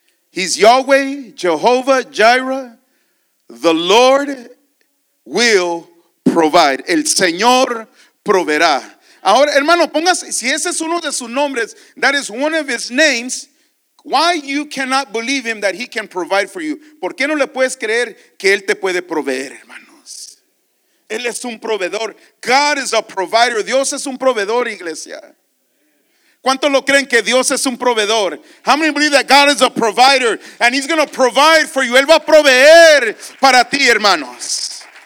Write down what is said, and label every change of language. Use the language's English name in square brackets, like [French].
[English] He's Yahweh, Jehovah, Jireh. The Lord will provide. [Spanish] El Señor proveerá. Ahora, hermano, póngase. Si ese es uno de sus nombres, [English] that is one of his names. Why you cannot believe him that he can provide for you? [Spanish] ¿Por qué no le puedes creer que él te puede proveer, hermanos? Él es un proveedor. [English] God is a provider. [Spanish] Dios es un proveedor, iglesia. ¿Cuántos lo creen que Dios es un proveedor? [English] How many believe that God is a provider and he's going to provide for you? [Spanish] Él va a proveer para ti, hermanos.